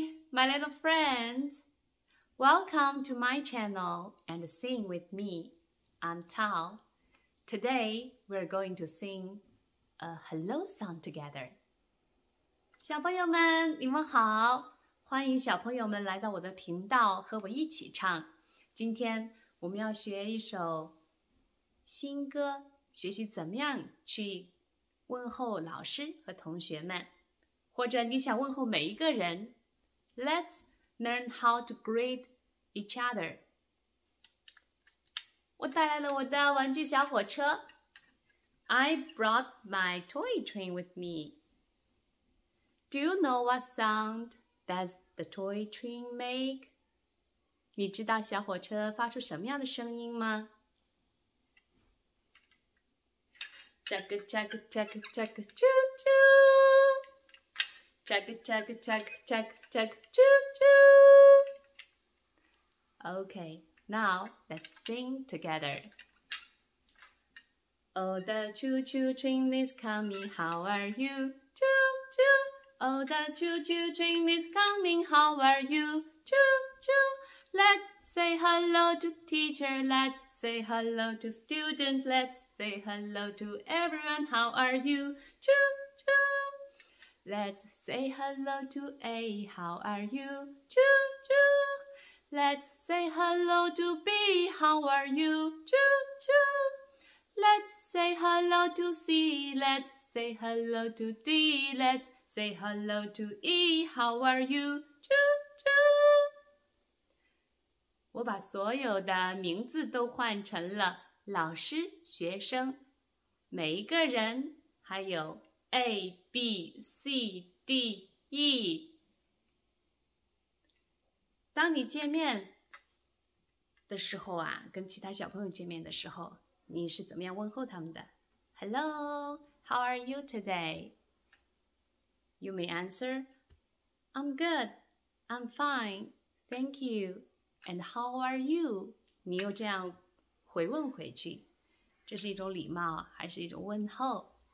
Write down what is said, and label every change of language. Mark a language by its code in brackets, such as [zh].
[en] My little friends, welcome to my channel and sing with me. I'm Tao. Today, we're going to sing a hello song together. [zh] 小朋友们，你们好，欢迎小朋友们来到我的频道和我一起唱。今天我们要学一首新歌，学习怎么样去问候老师和同学们，或者你想问候每一个人。 [en] Let's learn how to greet each other. [zh] 我带来了我的玩具小火车。 [en] I brought my toy train with me. Do you know what sound does the toy train make? [zh] 你知道小火车发出什么样的声音吗？ [en] Chug chug chug chug choo choo. Chug chug chug chug chug choo choo. Okay, now let's sing together. Oh, the choo choo train is coming, how are you? Choo choo. Oh, the choo choo train is coming, how are you? Choo choo. Let's say hello to teacher, let's say hello to student, let's say hello to everyone, how are you? Choo choo. Let's say hello to A, how are you? Choo-choo! Let's say hello to B, how are you? Choo-choo! Let's say hello to C, let's say hello to D, let's say hello to E, how are you? Choo-choo! [zh] 我把所有的名字都换成了老师、学生、每一个人，还有A, B, C, D, E. 当你见面的时候啊，跟其他小朋友见面的时候，你是怎么样问候他们的？ [en] Hello, how are you today? You may answer, I'm good, I'm fine, thank you, and how are you? [zh] 你又这样回问回去，这是一种礼貌，还是一种问候？